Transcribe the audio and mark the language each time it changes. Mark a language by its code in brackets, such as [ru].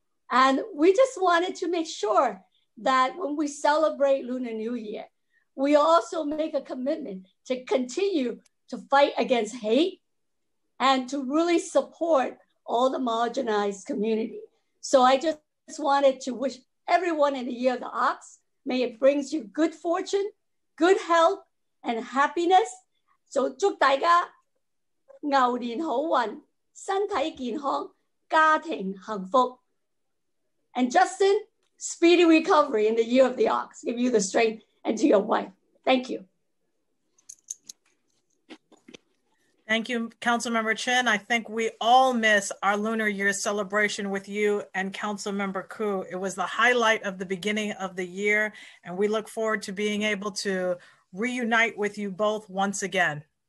[en] And we just wanted to make sure that when we celebrate Lunar New Year, we also make a commitment to continue to fight against hate and to really support all the marginalized community. So I just wanted to wish everyone in the year of the ox, may it brings you good fortune, good health, and happiness. [zh] So, 祝大家牛年好运，身体健康，家庭幸福。 [en] And Justin, speedy recovery in the year of the ox. Give you the strength and to your wife. Thank you. Thank you, Councilmember Chin. I think we all miss our Lunar Year celebration with you and Councilmember Koo. It was the highlight of the beginning of the year, and we look forward to being able to reunite with you both once again.